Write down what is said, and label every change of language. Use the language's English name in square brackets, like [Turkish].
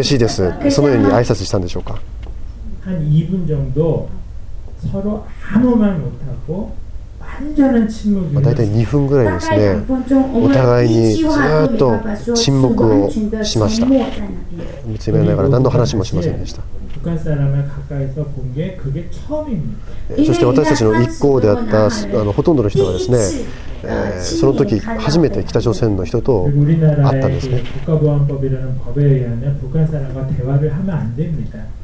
[Japanese] その時互いに向かい合う時にですね、どんなことが起こったんでしょうか。あえて嬉しいです、そのように挨拶したんでしょうか。 [Korean] 한 2분 정도 서로 아무 말 못하고 완전한 [Japanese] 沈黙. 大体 2分 ぐらいですね、お互いにずっと沈黙をしました。見つめながら何の話もしませんでした。 [Korean] 북한 사람을 가까이서 본 게 그게 처음입니다. [Japanese] そして私たちの一行であったほとんどの人がですね、その時初めて北朝鮮の人と会ったんですね。 [Korean] 国家保安법이라는 법에 의하면 북한 사람과 대화를 하면 안 됩니다.